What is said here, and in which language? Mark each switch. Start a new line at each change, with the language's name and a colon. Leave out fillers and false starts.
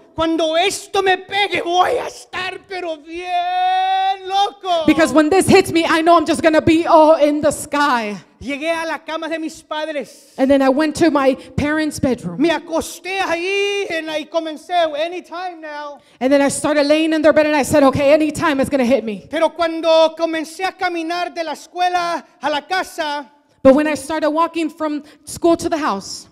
Spanish: Cuando esto me pegue, voy a estar pero bien loco.
English: Because when this hits me, I know I'm just going to be all in the sky.
Spanish: Llegué a la cama de mis padres.
English: And then I went to my parents' bedroom.
Spanish: Me acosté ahí
English: and I
Spanish: comencé
English: anytime now. And then I started laying in their bed and I said, okay, anytime it's going to hit me.
Spanish: Pero cuando comencé a caminar de la escuela a la casa,
English: but when I started walking from school to the house,